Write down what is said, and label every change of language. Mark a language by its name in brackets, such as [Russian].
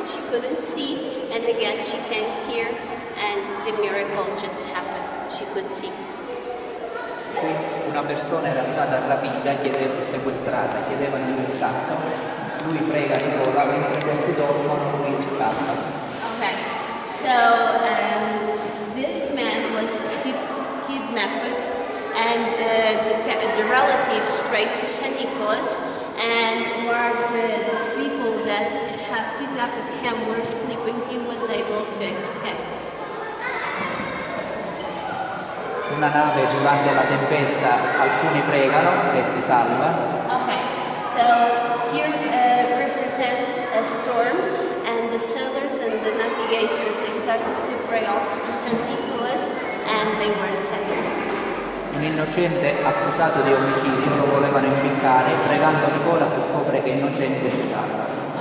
[English] Couldn't see, and again she came here, and the miracle just happened. She could see. [Italian] Una persona era stata rapita, chiedeva sequestrata, chiedeva il riscatto. Lui prega di ora, mentre questi dormono, lui riscatta. [English] Okay, so this man was kidnapped, and the relatives prayed to Saint Nicholas, and were the people that have kidnapped him were sleeping, he was able to escape. [Italian] Una nave durante la tempesta, alcuni pregano e si salva. [English] Okay, so here represents a storm, and the sailors and the navigators, they started to pray also to Saint Nicholas, and they were saved. [Italian] Un innocente accusato di omicidio, lo volevano impiccare, pregando Nicola si scopre che è innocente e si salva.